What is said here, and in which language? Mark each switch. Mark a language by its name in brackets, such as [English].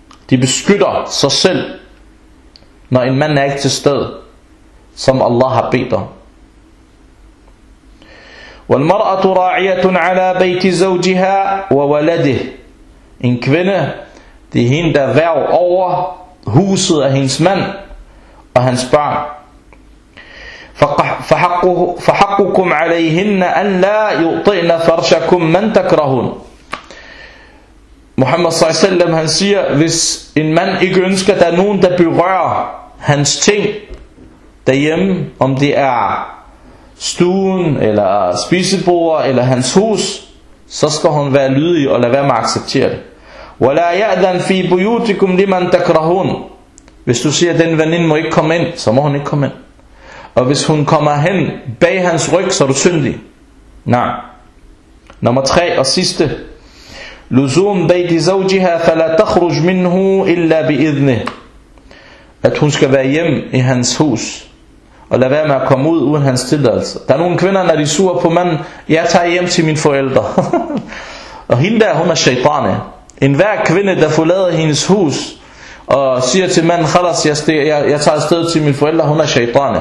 [Danish] De beskytter sig selv, når en mand er ikke til sted, som Allah har bedt om. [Arabic] وَالْمَرْأَةُ رَاعِيَةٌ عَلَى بَيْتِ زَوْجِهَا وَوَلَدِهِ. [Danish] En kvinde, det er hende, der værger over huset af hendes mand og hans barn. [Arabic] فحقكم عليهن أن لا يطعن فرشكم من تكرهون. [Danish] Muhammad [Arabic] صلى الله عليه وسلم, [Danish] han siger, hvis en mand ikke ønsker, der er nogen, der berører hans ting derhjemme, om det er stuen eller spisebordet eller hans hus, så skal hun være lydig og lade være med at acceptere det. [Arabic] ولا يأذن في بيوتكم لمن تكرهون. [Danish] Hvis du siger, at den veninde må ikke komme ind, så må hun ikke komme ind. Og hvis hun kommer hen bag hans ryg, så er du syndig. Nej. Nummer tre og sidste. [Arabic] لزوم بيت زوجها فلا تخرج منه إلا بإذنه. [Danish] At hun skal være hjem i hans hus og lade være med at komme ud uden hans tilladelse. Der er nogle kvinder, når de sur på manden, jeg tager hjem til mine forældre. Og hende der, hun er shaitane. Enhver kvinde, der forlader hendes hus og siger til manden, khalas, jeg tager afsted til mine forældre, hun er shaitane.